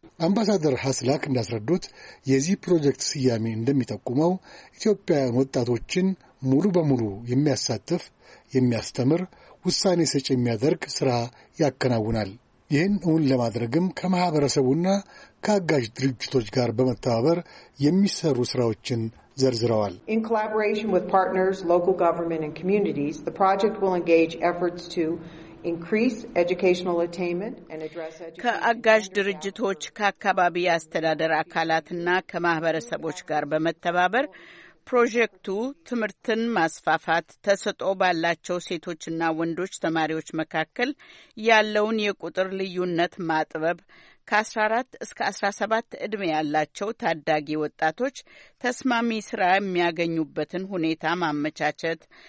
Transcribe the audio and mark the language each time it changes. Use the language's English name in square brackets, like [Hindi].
[Amharic] አምባሳደር ሀስላክ እንዳስረዱት የዚህ ፕሮጀክት ስያሜ እንደሚጠቁመው ኢትዮጵያውያን ወጣቶችን ሙሉ በሙሉ የሚያሳትፍ የሚያስተምር ውሳኔ ሰጪ የሚያደርግ ስራ ያከናውናል። ይህን እውን ለማድረግም ከማህበረሰቡና ከአጋዥ ድርጅቶች ጋር በመተባበር የሚሰሩ ስራዎችን ዘርዝረዋል። [English] In collaboration with partners, local government and communities, the project will engage efforts to increase educational attainment and address education. [Amharic] ከአጋዥ ድርጅቶች፣ ከአካባቢ አስተዳደር አካላትና ከማህበረሰቦች ጋር በመተባበር ፕሮጀክቱ ትምርትን ማስፋፋት፣ ተሰጦ ባላቸው ሴቶችና ወንዶች ተማሪዎች መካከል ያለውን የቁጥር ልዩነት ማጥበብ፣ ከ14 እስከ 17 እድሜ ያላቸው ታዳጊ ወጣቶች ተስማሚ ስራ የሚያገኙበትን ሁኔታ ማመቻቸት፣